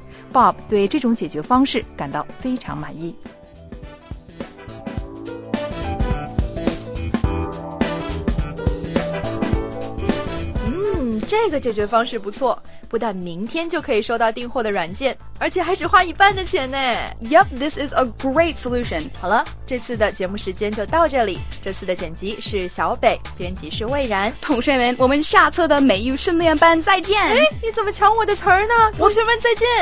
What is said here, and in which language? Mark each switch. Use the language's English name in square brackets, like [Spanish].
[Chinese] Bob 对这种解决方式感到非常满意。这个解决方式不错，不但明天就可以收到订货的软件，而且还只花一半的钱呢。 [English] Yup, this is a great solution. [Chinese] 好了，这次的节目时间就到这里，这次的剪辑是小北，编辑是蔚然。同学们，我们下册的美语训练班再见。哎，你怎么抢我的词儿呢？同学们再见。